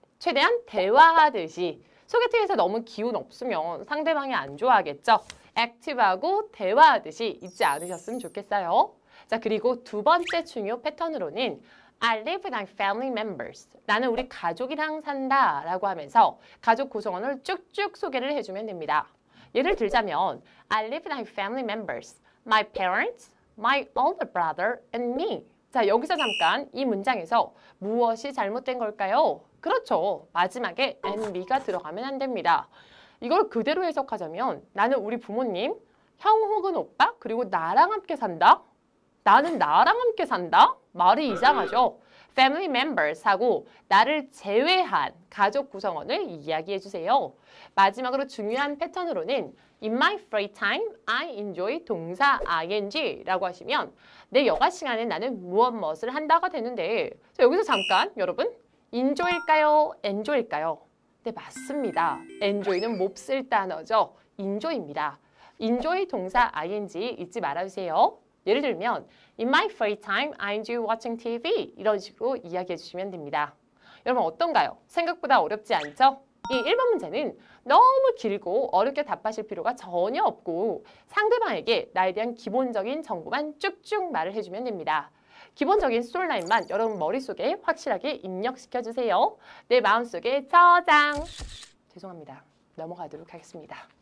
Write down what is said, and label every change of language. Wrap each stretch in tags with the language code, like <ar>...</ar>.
<ko>최대한 대화하듯이 소개팅에서 너무 기운 없으면 상대방이 안 좋아하겠죠? 액티브하고 대화하듯이 잊지 않으셨으면 좋겠어요. 자, 그리고 두 번째 중요 패턴으로는</ko> <en>I live with my family members.</en> <ko>나는 우리 가족이랑 산다 라고 하면서 가족 구성원을 쭉쭉 소개를 해주면 됩니다. 예를 들자면</ko> <en>I live with my family members, my parents, my older brother and me.</en> <ko>자, 여기서 잠깐 이 문장에서 무엇이 잘못된 걸까요? 그렇죠. 마지막에 and me가 들어가면 안 됩니다. 이걸 그대로 해석하자면 나는 우리 부모님, 형 혹은 오빠, 그리고 나랑 함께 산다? 나는 나랑 함께 산다? 말이 이상하죠. Family members 하고 나를 제외한 가족 구성원을 이야기해 주세요. 마지막으로 중요한 패턴으로는</ko> <en>In my free time, I enjoy</en> <ko>동사 ing라고 하시면 내 여가 시간에 나는 무엇을 한다가 되는데 여기서 잠깐 여러분 enjoy일까요? enjoy일까요? 네, 맞습니다. enjoy는 몹쓸 단어죠. enjoy입니다. enjoy 동사 ing 잊지 말아주세요. 예를 들면</ko> <en>In my free time, I enjoy watching TV</en> <ko>이런 식으로 이야기해 주시면 됩니다. 여러분 어떤가요? 생각보다 어렵지 않죠? 이 1번 문제는 너무 길고 어렵게 답하실 필요가 전혀 없고 상대방에게 나에 대한 기본적인 정보만 쭉쭉 말을 해주면 됩니다. 기본적인 스토리라인만 여러분 머릿속에 확실하게 입력시켜 주세요. 내 마음속에 저장! 죄송합니다. 넘어가도록 하겠습니다.</ko>